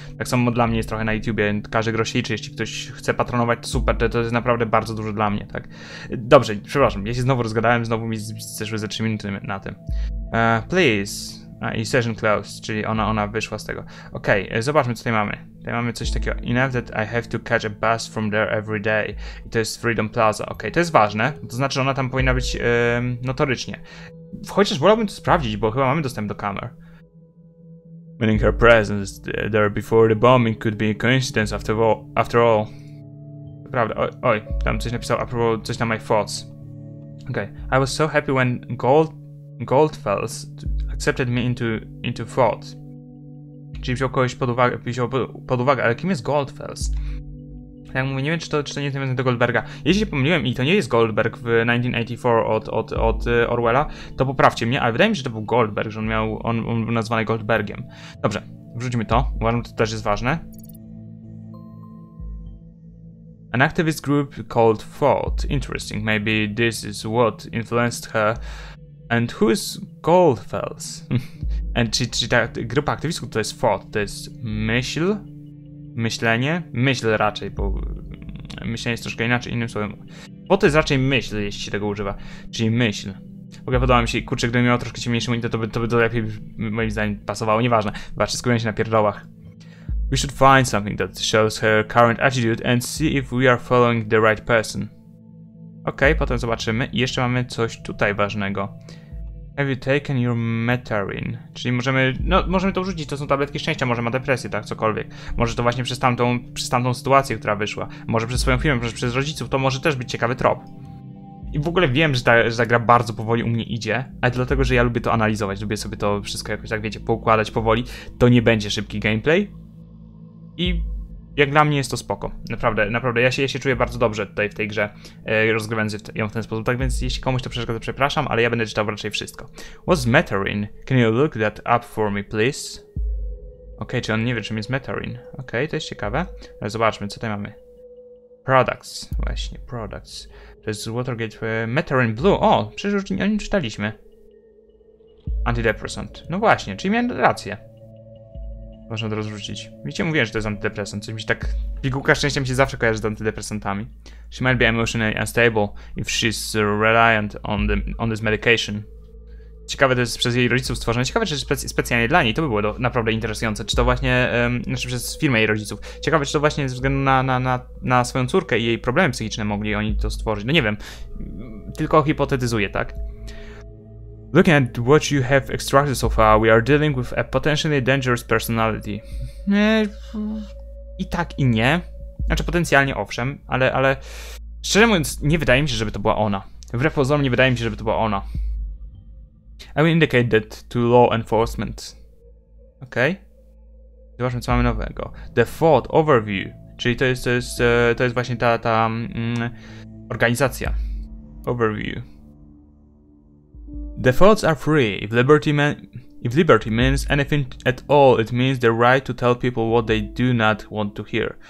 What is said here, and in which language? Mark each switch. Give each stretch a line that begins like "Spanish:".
Polish: Tak samo dla mnie jest trochę na YouTubie, każdy grosz się liczy, jeśli ktoś chce patronować, to super, to jest naprawdę bardzo dużo dla mnie, tak? Dobrze, przepraszam, ja się znowu rozgadałem, znowu mi zeszły ze 3 minuty na tym.
English: Please. I session closed,
Polish: czyli ona wyszła z tego. Okej, zobaczmy co tutaj mamy. Tutaj mamy coś takiego.
English: Enough that I have to catch a bus from there every day.
Polish: I to jest Freedom Plaza. Okej, to jest ważne. To znaczy, że ona tam powinna być notorycznie. Chociaż wolałbym to sprawdzić, bo chyba mamy dostęp do kamer.
English: Meaning her presence there before the bombing could be a coincidence after all.
Polish: Prawda, oj, tam coś napisał a propos coś na
English: my thoughts. Okej, I was so happy when Goldfells accepted me into thought.
Polish: Czyli wziął kogoś pod uwagę, ale kim jest Goldfells? Jak mówię, nie wiem, czy to nie jest nawiązane do Goldberga. Jeśli się pomyliłem i to nie jest Goldberg w 1984 od Orwella, to poprawcie mnie, ale wydaje mi się, że to był Goldberg, że on był nazwany Goldbergiem. Dobrze, wrzućmy to, uważam, że to też jest ważne.
English: An activist group called Thought. Interesting, maybe this is what influenced her. And who is Goldfells?
Polish: And czy ta grupa aktywistów to jest thought, to jest myśl? Myślenie? Myśl raczej, bo myślenie jest troszkę inaczej, innym słowem. Bo to jest raczej myśl, jeśli się tego używa. Czyli myśl. W ogóle podoba mi się, kurczę, gdybym miał troszkę ciemniejszy monitor, to by to lepiej moim zdaniem pasowało, nieważne. Zobaczcie, skupiam się na pierdołach.
English: We should find something that shows her current attitude and see if we are following the right person.
Polish: Okej, okay, potem zobaczymy. I jeszcze mamy coś tutaj ważnego.
English: Have you taken your Metarine?
Polish: Czyli możemy to wrzucić, to są tabletki szczęścia, może ma depresję, tak, cokolwiek. Może to właśnie przez tamtą sytuację, która wyszła. Może przez swoją firmę, może przez rodziców, to może też być ciekawy trop. I w ogóle wiem, że ta gra bardzo powoli u mnie idzie, ale dlatego, że ja lubię to analizować, lubię sobie to wszystko jakoś, tak wiecie, poukładać powoli. To nie będzie szybki gameplay. I Jak dla mnie jest to spoko. Naprawdę, naprawdę. Ja się czuję bardzo dobrze tutaj w tej grze, rozgrywając ją w ten sposób. Tak więc jeśli komuś to przeszkadza, przepraszam, ale ja będę czytał raczej wszystko.
English: What's Matarin? Can you look that up for me, please?
Polish: Okej, czy on nie wie, czym jest Matarin? Okej, to jest ciekawe. Ale zobaczmy, co tutaj mamy. Products. Właśnie, products. To jest Watergate Matarin Blue. O, przecież już o nim czytaliśmy. Antidepressant. No właśnie, czyli miałem rację. Można to rozrzucić. Widzicie, mówiłem, że to jest antydepresant. Coś mi się tak... Pigułka szczęścia mi się zawsze kojarzy z antydepresantami.
English: She might be emotionally unstable if she's reliant on this medication.
Polish: Ciekawe, to jest przez jej rodziców stworzone. Ciekawe, czy specjalnie dla niej. To by było naprawdę interesujące. Czy to właśnie... znaczy przez firmę jej rodziców. Ciekawe, czy to właśnie ze względu na swoją córkę i jej problemy psychiczne mogli oni to stworzyć. No nie wiem. Tylko hipotetyzuję, tak?
English: Looking at what you have extracted so far, we are dealing with a potentially dangerous personality.
Polish: I tak, i nie. Znaczy potencjalnie owszem, ale szczerze mówiąc, nie wydaje mi się, żeby to była ona. Wbrew pozorom, nie wydaje mi się, żeby to była ona.
English: I will indicate that to law enforcement.
Polish: Okej. Okay. Zobaczmy, co mamy nowego.
English: The Fort Overview.
Polish: Czyli to jest właśnie ta organizacja.
English: Overview. The thoughts are free. If liberty means anything at all, it means the right to tell people what they do not want to hear.